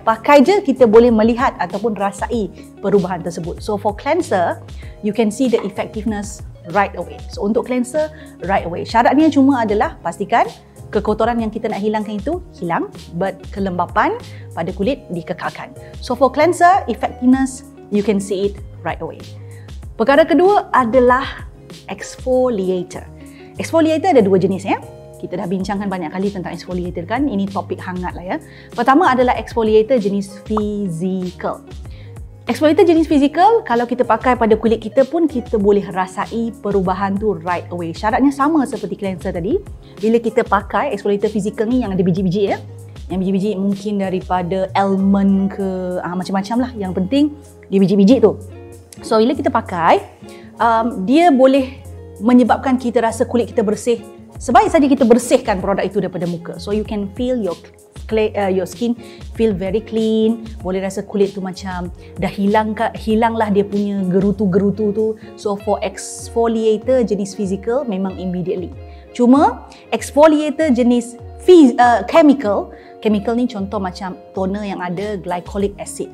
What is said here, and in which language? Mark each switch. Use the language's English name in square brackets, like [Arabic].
[Malay] Pakai je kita boleh melihat ataupun rasai perubahan tersebut. [English] So for cleanser, you can see the effectiveness right away. [Malay] So untuk cleanser, [English] right away. [Malay] Syaratnya cuma adalah pastikan kekotoran yang kita nak hilangkan itu hilang, but kelembapan pada kulit dikekalkan. [English] So for cleanser, effectiveness, you can see it right away. [Malay] Perkara kedua adalah exfoliator. Exfoliator ada dua jenis ya. Kita dah bincangkan banyak kali tentang exfoliator kan. Ini topik hangat lah ya. Pertama adalah exfoliator jenis physical. Exfoliator jenis physical, kalau kita pakai pada kulit kita pun kita boleh rasai perubahan tu [English] right away. [Malay] Syaratnya sama seperti cleanser tadi. Bila kita pakai exfoliator physical ni yang ada biji-biji ya. Yang biji-biji mungkin daripada almond ke macam-macam lah. Yang penting dia biji-biji tu. So bila kita pakai, dia boleh menyebabkan kita rasa kulit kita bersih. Sebaik saja kita bersihkan produk itu daripada muka. [English] So you can feel your skin feel very clean. [Malay] Boleh rasa kulit tu macam dah hilanglah dia punya gerutu-gerutu tu. So for exfoliator jenis physical memang immediately. Cuma exfoliator jenis chemical ni contoh macam toner yang ada glycolic acid.